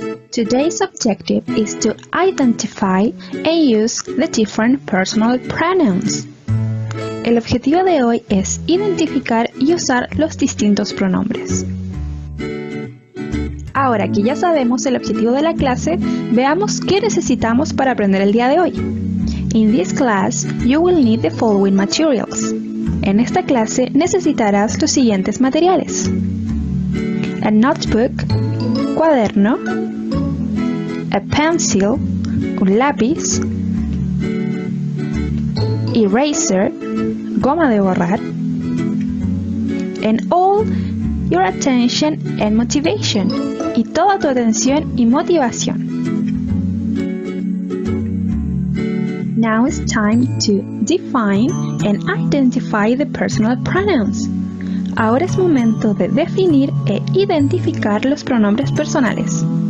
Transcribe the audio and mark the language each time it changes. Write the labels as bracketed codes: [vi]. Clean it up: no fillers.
[en] Today's objective is to identify and use the different personal pronouns. [es] El objetivo de hoy es identificar y usar los distintos pronombres. Ahora que ya sabemos el objetivo de la clase, veamos qué necesitamos para aprender el día de hoy. [en] In this class, you will need the following materials. [es] En esta clase necesitarás los siguientes materiales. [en] A notebook, [es] cuaderno, [en] a pencil, [es] un lápiz, eraser, goma de borrar, [en] and all your attention and motivation, [es] y toda tu atención y motivación. [en] Now it's time to define and identify the personal pronouns. [es] Ahora es momento de definir e identificar los pronombres personales.